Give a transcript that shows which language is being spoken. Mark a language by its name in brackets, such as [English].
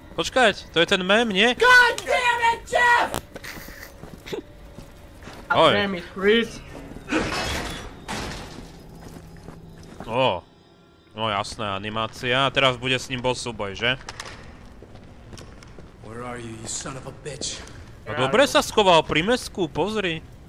[Slovak] Počkať, to je ten mem, nie? [English] God damn it, Jeff! Oj. I'm damn it, Chris. [Slovak] Ó. Oh. No jasné, animácia. A teraz bude s ním bol súboj, že? [English] Where are you, you son of a bitch? [Slovak] No dobre sa schoval pri mesku, pozri.